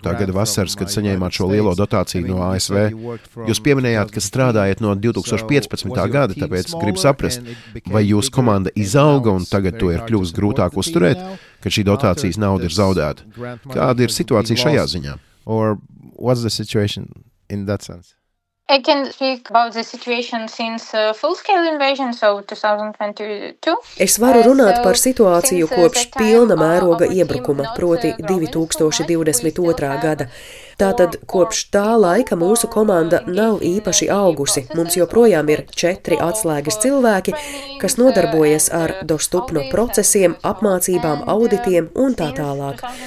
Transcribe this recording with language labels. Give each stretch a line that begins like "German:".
Latvian: Gada vasaras, kad saņēmāt šo lielo dotāciju no ASV? Jūs pieminējāt, ka strādājat no 2015. Gada, tāpēc gribu saprast, vai jūsu komanda izauga un tagad to ir kļuvis grūtāk uzturēt, kad šī dotācijas nauda ir zaudēta. Kāda ir situācija šajā ziņā?
English: I can speak about the situation since full-scale invasion, so 2022.
Latvian: Es varu runāt par situāciju kopš pilna mēroga iebrukuma, proti 2022. Gada. Tātad kopš tā laika mūsu komanda nav īpaši augusi. Mums joprojām ir 4 atslēgas cilvēki, kas nodarbojas ar dostupno procesiem, apmācībām, auditiem un tā tālāk.